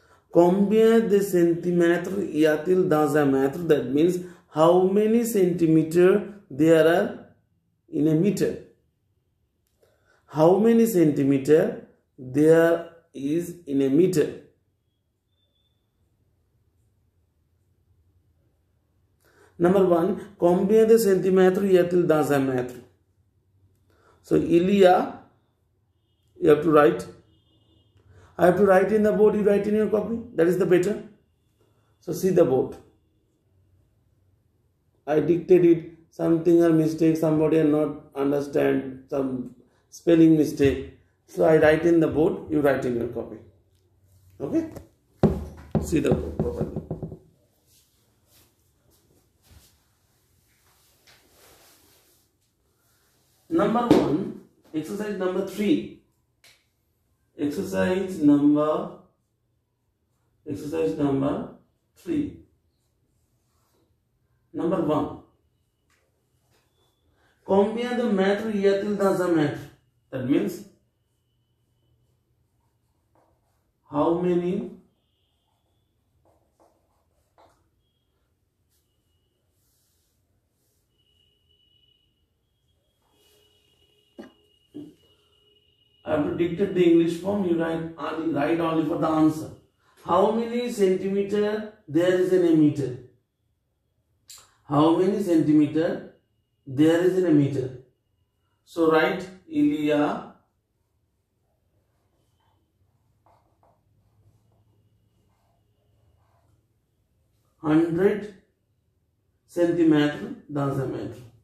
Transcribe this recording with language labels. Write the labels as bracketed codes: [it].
[fr] Combien de centimètres y a-t-il dans un mètre? [en] That means how many centimeters there are in a meter? How many centimeters there is in a meter? Number 1. [fr] Combien de centimètres y a-t-il dans un mètre? [en] So, [fr] il y a, [en] you have to write. I have to write in the board, you write in your copy. That is the better. So see the board. I dictated it. Something or mistake, somebody will not understand some spelling mistake. So I write in the board, you write in your copy. Okay? See the board properly. Number 1, exercise number 3. Exercise number 3. Number 1. [fr] Combien de mètres y a-t-il dans un mètre? [en] That means how many I have to dictate the English form, you write only for the answer. How many centimeter there is in a meter? How many centimeter there is in a meter? So write, [fr] il y a [en] hundred centimeter [fr] dans un mètre.